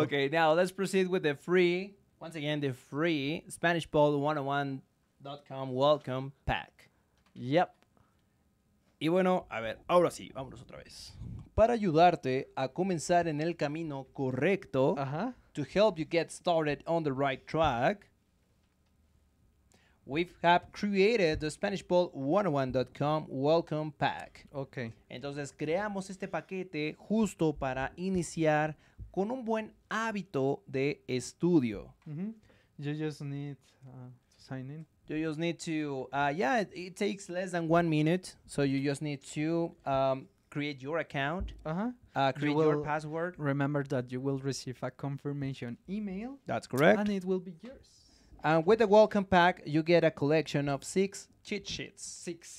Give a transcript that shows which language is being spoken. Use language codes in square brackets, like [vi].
[en] Okay, now let's proceed with the free, once again, the free SpanishPod101.com welcome pack. Yep. [es] Y bueno, a ver, ahora sí, vámonos otra vez. Para ayudarte a comenzar en el camino correcto, [en] to help you get started on the right track, we have created the SpanishPod101.com welcome pack. Okay. [es] Entonces, creamos este paquete justo para iniciar con un buen hábito de estudio. [en] You just need to sign in. You just need to, it takes less than 1 minute. So you just need to create your account, create your password. Remember that you will receive a confirmation email. That's correct. And it will be yours. And with the welcome pack, you get a collection of 6 cheat sheets.